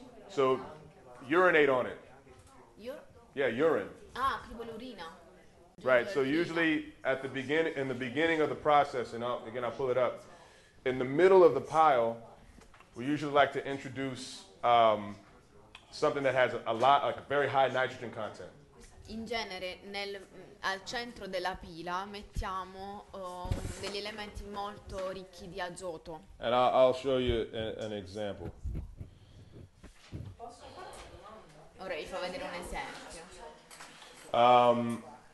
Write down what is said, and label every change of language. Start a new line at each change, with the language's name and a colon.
English: So, urinate on it. Urine.
Italian: Ah, tipo l'urina.
English: Right. So usually at the beginning of the process, and I'll pull it up. In the middle of the pile, we usually like to introduce something that has a lot, like a very high nitrogen content.
Italian: In genere, al centro della pila mettiamo degli elementi molto ricchi di azoto.
English: And I'll show you an example.
Italian: Ora vi fa vedere un esempio.